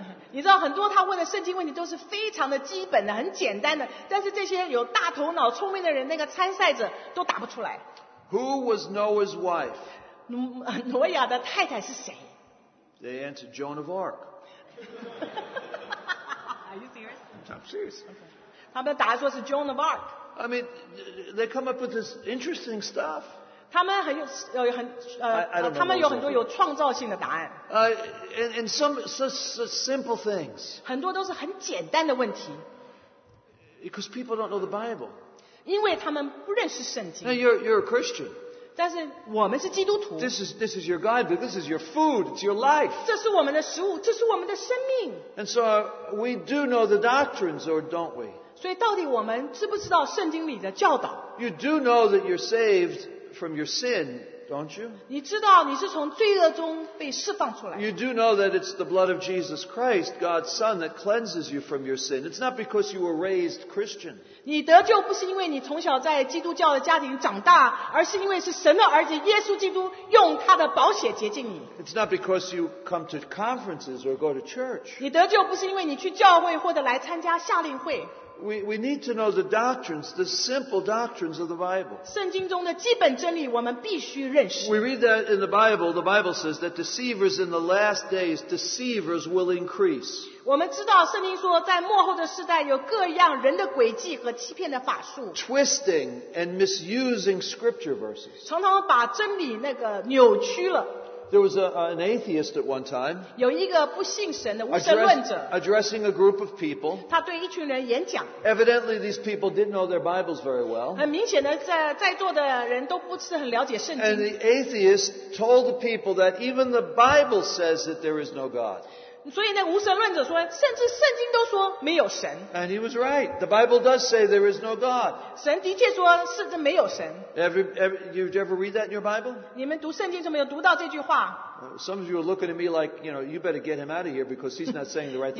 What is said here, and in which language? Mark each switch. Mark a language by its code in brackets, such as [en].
[zh] 你知道很多他问的圣经问题都是非常的基本的很简单的但是这些有大头脑聪明的人那个参赛者都答不出来 [en] Who was Noah's wife? [zh] 挪亚的太太是谁 [en] They answered Joan of Arc Are you serious? I'm serious、 [zh] okay. 他们答说是 Joan of Arc [en] I mean they come up with this interesting stuff [zh] 他们有很多有创造性的答案。 [en] And some simple things. [zh] 很多都是很简单的问题。 [en] Because people don't know the Bible. [zh] 因为他们不认识圣经。 [en] Now you're a Christian. [zh] 但是我们是基督徒。 [en] This is your guidebook. This is your food. It's your life. [zh] 这是我们的食物，这是我们的生命。 [en] And so we do know the doctrines, or don't we? [zh] 所以到底我们知不知道圣经里的教导 [en] ？You do know that you're saved. From your sin, don't you? [zh] 你知道你是从罪恶中被释放出来。 [en] You do know that it's the blood of Jesus Christ, God's Son, that cleanses you from your sin. It's not because you were raised Christian. [zh] 你得救不是因为你从小在基督教的家庭长大，而是因为是神的儿子耶稣基督用他的宝血洁净你。 [en] It's not because you come to conferences or go to church. [zh] 你得救不是因为你去教会或者来参加夏令会。 [en] We need to know the doctrines, the simple doctrines of the Bible. [zh] 圣经中的基本真理我们必须认识。 [en] We read that in the Bible says that deceivers in the last days, deceivers will increase. [zh] 我们知道圣经说在末后的世代有各样人的诡计和欺骗的法术。 [en] Twisting and misusing scripture verses. [zh] 常常把真理那个扭曲了。 [en] There was an atheist at one time. [zh] 有一个不信神的无神论者。 [en] Addressing a group of people. [zh] 他对一群人演讲。 [en] Evidently, these people didn't know their Bibles very well. [zh] 很明显的，在座的人都不是很了解圣经。 [en] And the atheist told the people that even the Bible says that there is no God. [zh] 所以那无神论者说，甚至圣经都说没有神。 [en] And he was right. The Bible does say there is no God. [zh] 神的确说是这没有神。 [en] You ever read that in your Bible? [zh] 你们读圣经怎么有读到这句话？ [en] Some of you are looking at me like, you know, you better get him out of here because he's not saying the right thing.